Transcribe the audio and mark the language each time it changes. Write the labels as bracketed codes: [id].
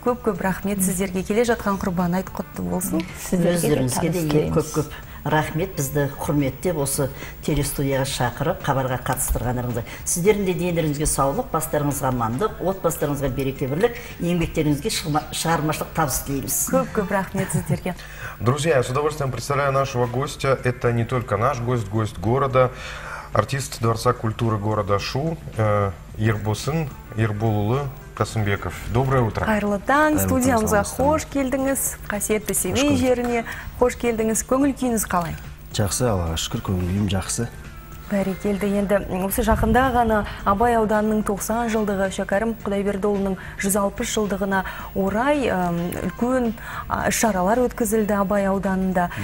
[kk] Көп-көп рахмет сіздерге. Келе жатқан құрбан айт құтты болсын. Өздеріңізге де көп-көп рахмет, бізді құрметтеп осы телестудияға шақырып, хабарға қатыстырғаныңызды. Сіздердің де дендеріңізге саулық, бастарыңызға амандық, отбасыларыңызға береке бірлік, еңбектеріңізге шығармашылық табыс тілейміз. Көп-көп рахмет сіздерге. [ru] Друзья, я с удовольствием представляю нашего гостя. Это не только наш гость, гость города, артист Дворца культуры города Шу, Ербусын, Ербулулы Касымбеков. Доброе утро. [kk] Қайырлы таң, студиямызға қош келдіңіз, қасиетті семей жеріне қош келдіңіз. Көңіл күйіңіз қалай? Жақсы, Аллаға шүкір, көңіл күйім жақсы. Бәрекелді, енді осы жақында ғана Абай ауданының 90 жылдығы, Шәкәрім Құдайбердіұлының 160 жылдығына орай үлкен іс-шаралар өткізілді Абай ауданында.